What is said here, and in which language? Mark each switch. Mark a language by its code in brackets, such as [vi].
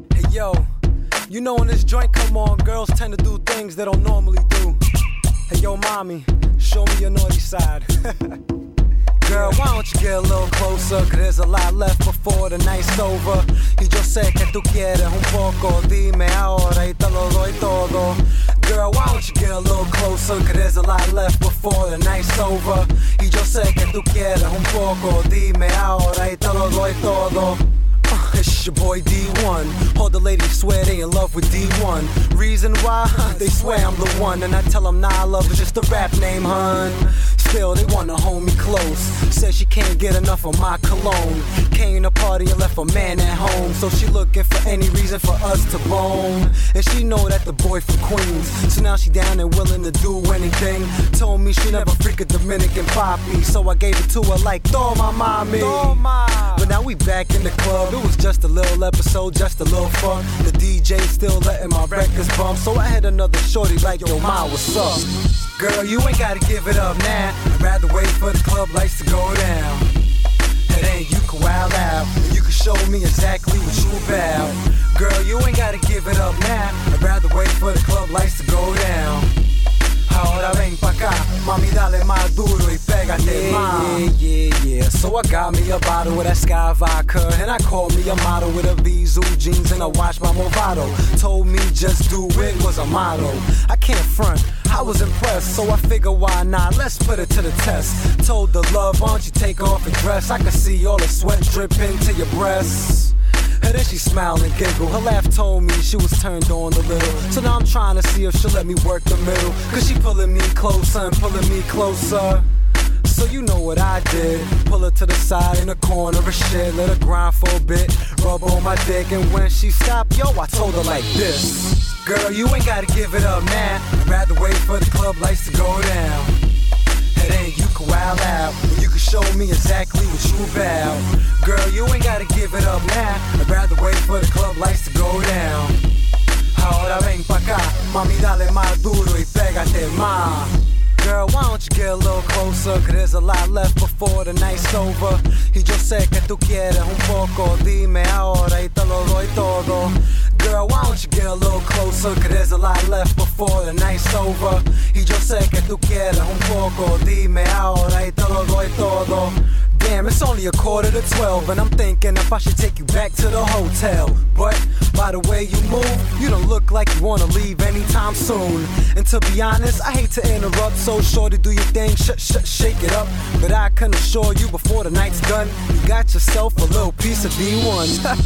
[en] Yo, you know when this joint come on, girls tend to do things they don't normally do. Hey, yo, mommy, show me your naughty side. Girl, why don't you get a little closer? Cause there's a lot left before the night's over. [es] Y yo sé que tú quieres un poco, dime ahora y te lo doy todo. [en] Girl, why don't you get a little closer? Cause there's a lot left before the night's over. [es] Y yo sé que tú quieres un poco, dime ahora y te lo doy todo. [en] It's your boy D1. All the ladies swear they in love with D1. Reason why? They swear I'm the one. And I tell them, nah, love is just a rap name, hun. Still, they wanna hold me close. Said she can't get enough of my cologne. Came to party and left a man at home. So she looking for any reason for us to bone. And she know that the boy from Queens. So now she down and willing to do anything. Told me she never freak a Dominican poppy. So I gave it to her like, throw my mommy. But now we back in the club. It was just a little episode, just a little fun. The DJ still letting my records bump. So I had another shorty like, yo, ma, what's up? Girl, you ain't gotta give it up now. I'd rather wait for the club lights to go down. And then you can wild out, and you can show me exactly what you about. Girl, you ain't gotta give it up now. I'd rather wait for the club lights to go down. [es] Ahora ven pa' acá, mami, dale más duro y pégate, [en] mom. Yeah. So I got me a bottle with that Sky Vodka, and I called me a model with a Vizu jeans and a watch by Movado. Told me just do it was a motto. I can't front, I was impressed, so I figured why not, let's put it to the test. Told the love, why don't you take off and dress? I can see all the sweat dripping to your breasts. And then she smiled and giggled. Her laugh told me she was turned on a little. So now I'm trying to see if she'll let me work the middle. Cause she pulling me closer and pulling me closer. So you know what I did. Pull her to the side in the corner of her shit. Let her grind for a bit. Rub on my dick. And when she stopped, yo, I told her like this. Girl, you ain't gotta give it up now. I'd rather wait for the club lights to go down. And then you can wild out, and you can show me exactly what you about. Girl, you ain't gotta give it up now. I'd rather wait for the club lights to go down. [es] Ahora ven pa' acá, mami, dale más duro y pégate más. [en] Girl, why don't you get a little closer? Cause there's a lot left before the night's over. [es] Y yo sé que tú quieres un poco, dime ahora y te lo doy todo. [en] Girl, why don't you get a little closer? Cause there's a lot left before the night's over. [es] Y yo sé que tú quieres un poco, dime ahora y te lo doy todo. [en] Damn, it's only a quarter to 12, and I'm thinking if I should take you back to the hotel. But by the way you move, you don't look like you wanna leave anytime soon. And to be honest, I hate to interrupt, so shorty, do your thing, shake it up. But I can assure you before the night's done, you got yourself a little piece of D1.